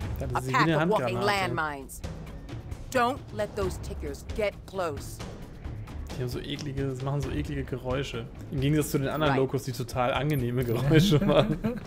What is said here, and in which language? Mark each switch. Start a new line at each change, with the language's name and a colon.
German: Da hatte sie wie eine Handgranate.
English: Don't let those tickers get close.
German: Die haben so eklige, das machen so eklige Geräusche. Im Gegensatz zu den anderen right. Locos, die total angenehme Geräusche machen.